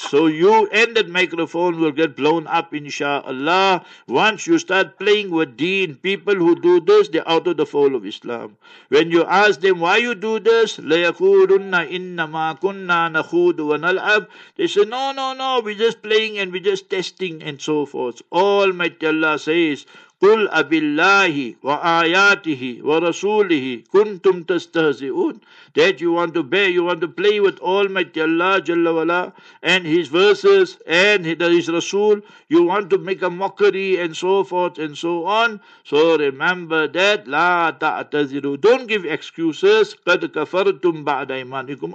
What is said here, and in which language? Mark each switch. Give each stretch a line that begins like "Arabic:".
English: So you and that microphone will get blown up, inshallah. Once you start playing with deen, people who do this, they're out of the fold of Islam. When you ask them, why you do this?
Arabic: لَيَكُولُنَّ إِنَّمَا كُنَّا نَخُودُ وَنَلْعَبُ.
English: They say, no, we're just playing and we're just testing and so forth. Almighty Allah says,
Arabic: قُلْ أَبِاللَّهِ وَآيَاتِهِ وَرَسُولِهِ كُنْتُمْ تَسْتَهْزِئُونَ.
English: That you want to bear, you want to play with Almighty Allah Jalla Wala and His verses and His Rasul, you want to make a mockery and so forth and so on. So remember that,
Arabic: لَا تَعْتَذِرُوا.
English: Don't give excuses.
Arabic: قَدْ كَفَرْتُمْ بَعْدَ إِمَانِكُمْ.